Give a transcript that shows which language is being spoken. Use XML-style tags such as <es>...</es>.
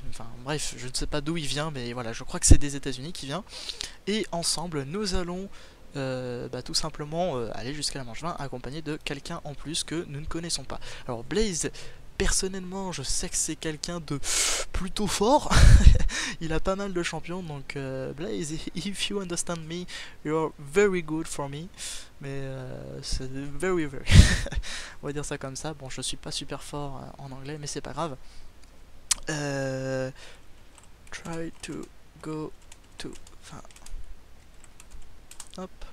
<fr>Enfin bref, je ne sais pas d'où il vient, mais voilà, je crois que c'est des États-Unis qui vient. Et ensemble, nous allons tout simplement aller jusqu'à la manche 20, accompagné de quelqu'un en plus que nous ne connaissons pas. Alors Blaze, personnellement, je sais que c'est quelqu'un de plutôt fort. Il a pas mal de champions, donc Blaze,</fr> <en>if you understand me, you're very good for me.</en> <fr>Mais c'est on va dire ça comme ça. Bon, je suis pas super fort en anglais, mais c'est pas grave.</fr> <en>Try to go to.</en> <fr>Enfin. Hop.</fr>